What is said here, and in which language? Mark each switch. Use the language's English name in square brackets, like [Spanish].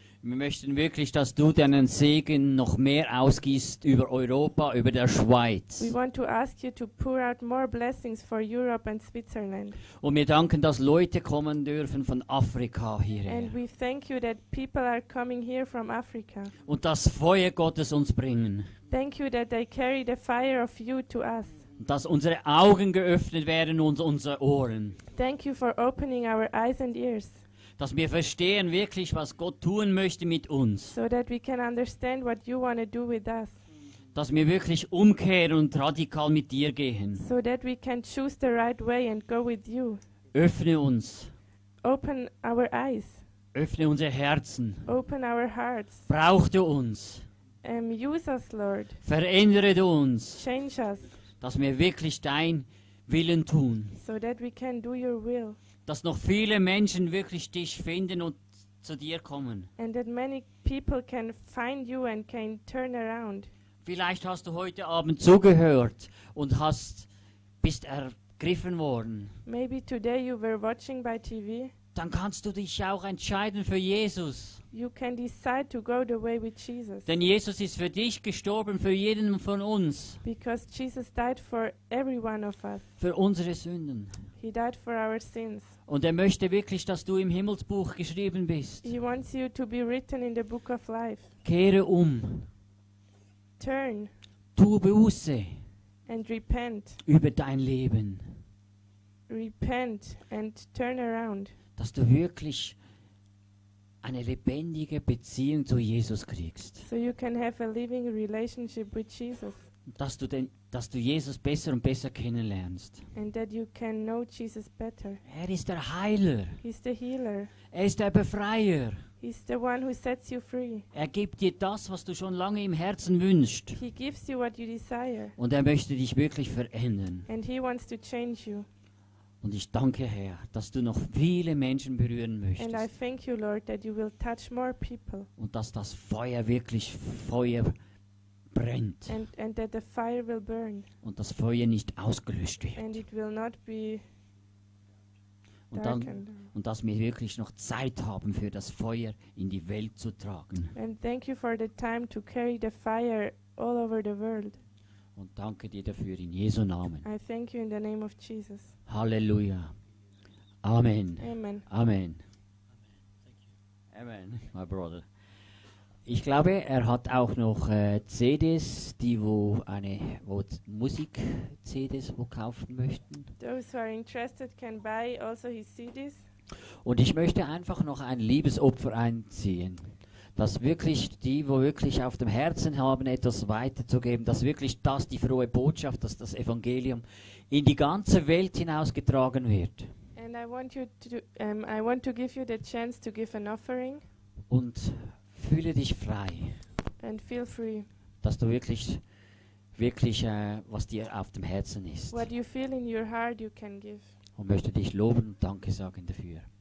[German] Wir möchten wirklich, dass du deinen Segen noch mehr ausgießt über Europa, über der Schweiz. [English] We want to ask you to pour out more blessings for Europe and Switzerland. [German] Und wir danken, dass Leute kommen dürfen von Afrika hierher. [English] And we thank you that people are coming here from Africa. [German] Und das Feuer Gottes uns bringen. [English] Thank you that they carry the fire of you to us. [German] Dass unsere Augen geöffnet werden und unsere Ohren. [English] Thank you for opening our eyes and ears. [German] Dass wir verstehen wirklich, was Gott tun möchte mit uns. [English] So that we can understand what you want to do with us. [German] Dass wir wirklich umkehren und radikal mit dir gehen. [English] So that we can choose the right way and go with you. [German] Öffne uns. [English] Open our eyes. [German] Öffne unsere Herzen. [English] Open our hearts. [German] Brauch du uns. [English] Use us, Lord. [German] Verändere du uns. [English] Change us. [German] Dass wir wirklich dein Willen tun. [English] So that we can do your will. [German] Dass noch viele Menschen wirklich dich finden und zu dir kommen. [English] And that many people can find you and can turn around. [German] Vielleicht hast du heute Abend zugehört und bist ergriffen worden. [English] Maybe today you were watching by TV. [German] Dann kannst du dich auch entscheiden für Jesus. [English] You can decide to go the way with Jesus. [German] Denn Jesus ist für dich gestorben, für jeden von uns. [English] Because Jesus died for every one of us. [German] Für unsere Sünden. [English] He died for our sins. [German] Und er möchte wirklich, dass du im Himmelsbuch geschrieben bist. [English] He wants you to be written in the book of life. [German] Kehre um. [English] Turn. [German] tue Buße. [English] And repent. [German] Über dein Leben. [English] Repent and turn around. [German] Dass du wirklich eine lebendige Beziehung zu Jesus kriegst. [English] So you can have a living relationship with Jesus. [German] Dass du den, dass du Jesus besser und besser kennenlernst. [English] And that you can know Jesus better. [German] Er ist der Heiler. [English] He's the healer. [German] Er ist der Befreier. [English] He's the one who sets you free. [German] Er gibt dir das, was du schon lange im Herzen wünschst. [English] He gives you what you desire. [German] Und er möchte dich wirklich verändern. [English] And he wants to change you. [German] Und ich danke, Herr, dass du noch viele Menschen berühren möchtest. [English] And I thank you, Lord, that you will touch more people. [German] Und dass das Feuer wirklich Feuer brennt. [English] And that the fire will burn. [German] Und das Feuer nicht ausgelöscht wird. [English] And it will not be [German] und, dann, und dass wir wirklich noch Zeit haben, für das Feuer in die Welt zu tragen. [English] And thank you for the time to carry the fire all over the world. [German] Und danke dir dafür in Jesu Namen. [English] I thank you in the name of Jesus. [German] Halleluja. Amen. Amen. [English] Amen. Amen, my brother. [German] Ich glaube, er hat auch noch CDs, die wo eine wo Musik-CDs wo kaufen möchten. [English] Those who are interested can buy also his CDs. [German] Und ich möchte einfach noch ein Liebesopfer einziehen. Dass wirklich die, wo wirklich auf dem Herzen haben, etwas weiterzugeben, dass wirklich das, die frohe Botschaft, dass das Evangelium in die ganze Welt hinausgetragen wird. [English] And I want you to I want to give you the chance to give an offering. [German] Und fühle dich frei. [English] And feel free. [German] Dass du wirklich, wirklich was dir auf dem Herzen ist. [English] What you feel in your heart, you can give. [German] Und möchte dich loben und Danke sagen dafür.